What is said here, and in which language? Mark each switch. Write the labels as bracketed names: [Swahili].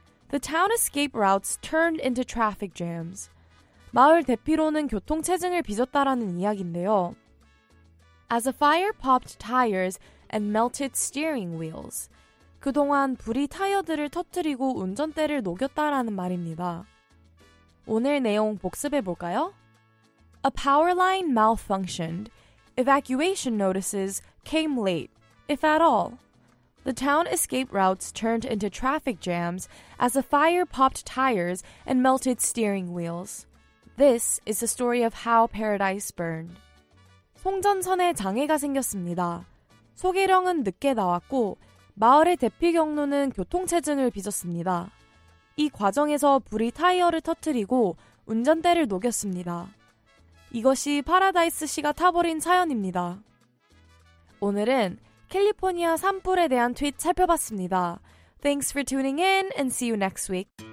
[English] The town escape routes turned into traffic jams. [Korean] 마을 대피로는 교통체증을 빚었다라는 이야기인데요. [English] As a fire popped tires, and melted steering wheels. [Korean] 그동안 불이 타이어들을 터뜨리고 운전대를 녹였다라는 말입니다. 오늘 내용 복습해 볼까요? [English] A power line malfunctioned. Evacuation notices came late, if at all. The town escape routes turned into traffic jams as a fire popped tires and melted steering wheels. This is the story of how Paradise burned. [Korean] 송전선에 장애가 생겼습니다. 소개령은 늦게 나왔고 마을의 대피 경로는 교통체증을 빚었습니다. 이 과정에서 불이 타이어를 터뜨리고 운전대를 녹였습니다. 이것이 파라다이스 씨가 타버린 사연입니다. 오늘은 캘리포니아 산불에 대한 트윗 살펴봤습니다. [English] Thanks for tuning in and see you next week.